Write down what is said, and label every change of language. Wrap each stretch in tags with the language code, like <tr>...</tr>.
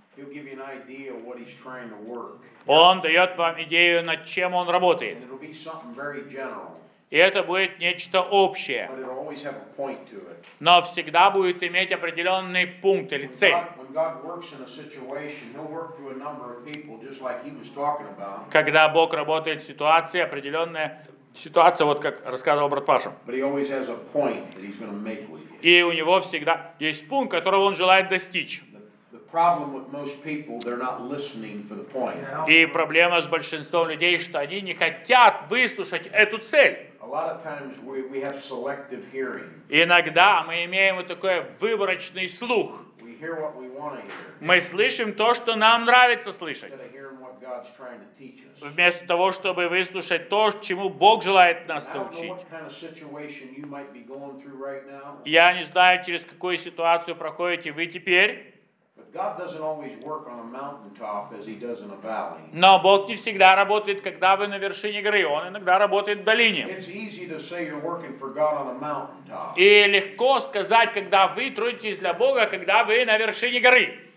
<en>he'll give you an idea of what he's trying to work.</en> <ru>Он дает вам идею, над чем он работает.</ru> <en>It'll be something very general.</en> <ru>И это будет нечто общее.</ru> <en>But it'll always have a point to it.</en> <ru>Но всегда будет иметь определенный пункт или цель.</ru> <en>When God works in a situation, he'll work through a number of people, just like he was talking about.</en> <ru>Когда Бог работает в ситуации, определенная ситуация, вот как рассказывал брат Паша.</ru> <en>But he always has a point that he's going to make with you.</en> <ru>И у него всегда есть пункт, которого он желает достичь.</ru> <en>Problem with most people, they're not listening for the point.</en> <ru>И проблема с большинством людей, что они не хотят выслушать эту цель.</ru> <en>A lot of times we have selective hearing.</en> <ru>Иногда мы имеем вот такой выборочный слух.</ru> <en>We hear what we want to hear.</en> <ru>Мы слышим то, что нам нравится слышать.</ru> <en>Instead of hearing what God's trying to teach us.</en> <ru>Вместо того, чтобы выслушать то, чему Бог желает нас научить.</ru> <en>I don't know what kind of situation you might be going through right now.</en> <ru>Я не знаю, через какую ситуацию проходите вы теперь.</ru> <en>God doesn't always work on a mountaintop as he does in a valley.</en> <ru>Но Бог не всегда работает, когда вы на вершине горы. Он иногда работает в долине.</ru> <en>It's easy to say you're working for God on a mountaintop.</en> <ru>И легко сказать, когда вы трудитесь для Бога, когда вы на вершине горы.</ru>